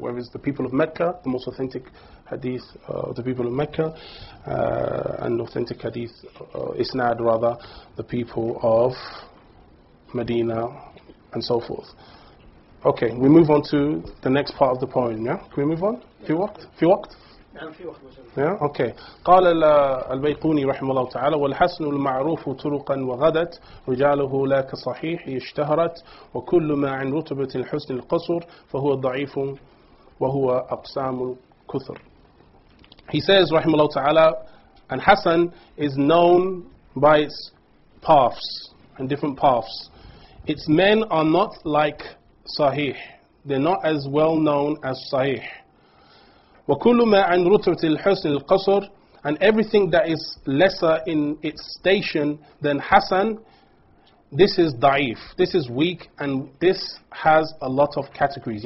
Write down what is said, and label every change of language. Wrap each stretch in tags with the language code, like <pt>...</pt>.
<en>Whereas the people of Mecca, the most authentic hadith of the people of Mecca, and authentic hadith, isnad rather, the people of Medina, and so forth. Okay, we move on to the next part of the poem. Yeah, can we move on?</en> <ar>Fi waqt?</ar> <en>Yeah, okay.</en> <ar>قال البيقوني رحمه الله تعالى والحسن المعروف طرقا وغدت رجاله لا كصحيح اشتهرت وكل ما عن رتبة الحسن القصر فهو ضعيف وهو أقسام الكثر.</ar> <en>He says</en> <ar>رحمه الله تعالى</ar> <en>and Hassan is known by its paths and different paths. Its men are not like Sahih. They're not as well known as Sahih.</en> <ar>وَكُلُّ مَا عَنْ رُتْرَةِ الْحُسْنِ الْقَصُرِ</ar> <en>And everything that is lesser in its station than Hassan, this is da'if, this is weak, and this has a lot of categories.</en>